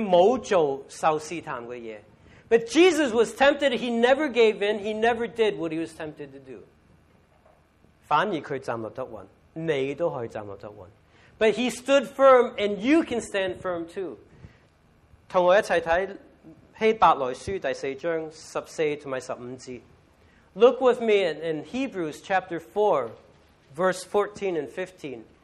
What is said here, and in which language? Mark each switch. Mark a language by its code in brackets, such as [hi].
[zh] 耶稣受试探但他没有屈服他没有做受试探的事 [en] But Jesus was tempted, he never gave in, he never did what he was tempted to do. [zh] 反而他站立得稳,你都可以站立得稳 [en] But he stood firm and you can stand firm too. [zh] 跟我一起看 希伯来书第四章14-15节 [en] Look with me in Hebrews chapter 4, verse 14 and 15.